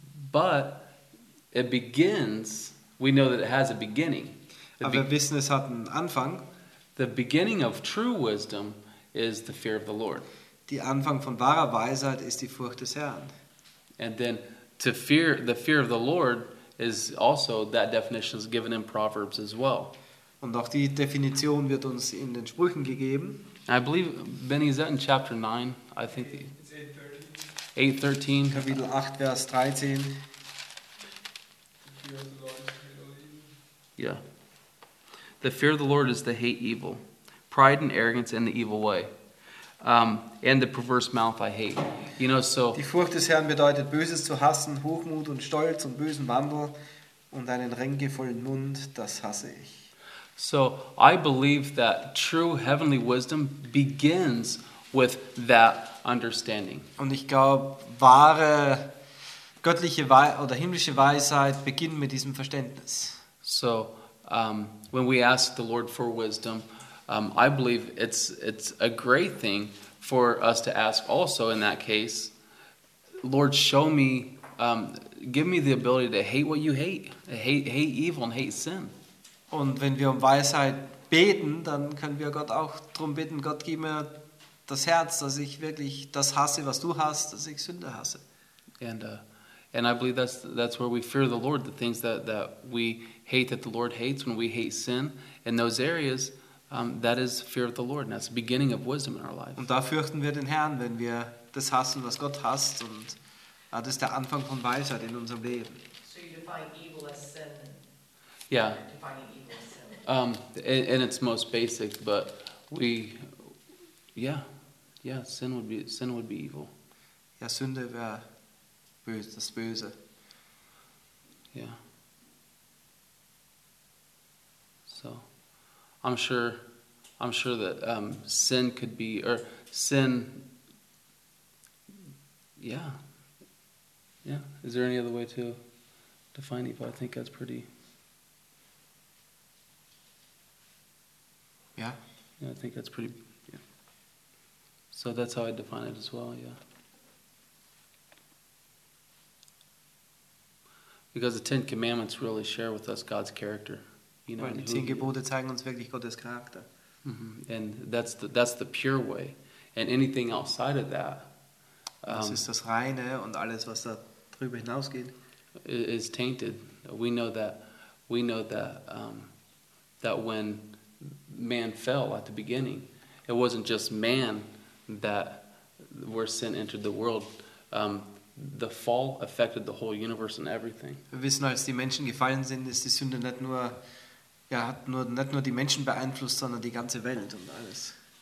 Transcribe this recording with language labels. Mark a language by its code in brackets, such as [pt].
[en] But it begins. We know that it has a beginning. [de] Aber Wissen hat einen Anfang. [en] The beginning of true wisdom is the fear of the Lord. [de] Die Anfang von wahrer Weisheit ist die Furcht des Herrn. [en] And then to fear the fear of the Lord is also that definition is given in Proverbs as well. [de] Und auch die Definition wird uns in den Sprüchen gegeben. [en] I believe Benny is that in chapter 9, I think. It's 8:13. [de] Kapitel 8, Vers 13. [en] Yeah. The fear of the Lord is to hate evil, pride and arrogance in the evil way. And the perverse mouth I hate. You know, so [de] die Furcht des Herrn bedeutet Böses zu hassen, Hochmut und Stolz und bösen Wandel und einen ränkevollen Mund, das hasse ich. [en] So I believe that true heavenly wisdom begins with that understanding. [de] Und ich glaube, wahre göttliche oder himmlische Weisheit beginnt mit diesem Verständnis. [en] So when we ask the Lord for wisdom, I believe it's a great thing for us to ask also in that case, Lord, show me, give me the ability to hate what you hate evil and hate sin. [de] Und wenn wir um Weisheit beten, dann können wir Gott auch darum bitten, Gott, gib mir das Herz, dass ich wirklich das hasse, was du hast, dass ich Sünde hasse. [en] And I believe that's where we fear the Lord, the things that we hate, that the Lord hates, when we hate sin, in those areas, that is fear of the Lord, and that's the beginning of wisdom in our life. [de] Und da fürchten wir den Herrn, wenn wir das hassen, was Gott hasst, und das ist der Anfang von Weisheit in unserem Leben. [en] So you define evil as sin. Yeah. In its most basic, but we, yeah, sin would be evil. [de] Ja, Sünde wäre böse, das Böse. [en] Yeah. So, I'm sure that sin could be or sin. Yeah. Yeah. Is there any other way to define evil? I think that's pretty. Yeah, I think that's pretty. Yeah. So that's how I define it as well. Yeah. Because the Ten Commandments really share with us God's character. [de] You know, die Zehn Gebote zeigen uns wirklich Gottes Charakter. [en] Mm-hmm. And that's the pure way. And anything outside of that. [de] Das ist das Reine und alles, was da drüber hinausgeht. [en] Is tainted. We know that. That when man fell at the beginning, it wasn't just man that where sin entered the world. The fall affected the whole universe and everything. [de] Wir wissen, als die Menschen gefallen sind, ist die Sünde nicht nur die Menschen beeinflusst, sondern die ganze Welt und alles.